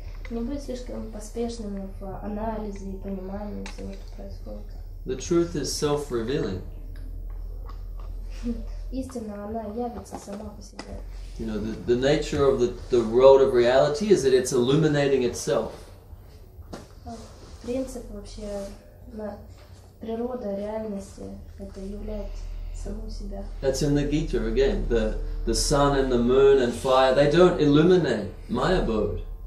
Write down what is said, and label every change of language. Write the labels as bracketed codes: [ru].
[ru] Не будь слишком поспешным в анализе и понимании всего, что происходит. [en] The truth is self-revealing. [ru] Истина, она явится сама по себе. [en] You know, the nature of the world of reality is that it's illuminating itself. [ru] Принцип вообще на природа реальности это является [en] That's in the Gita again. The sun and the moon and fire, they don't illuminate my abode.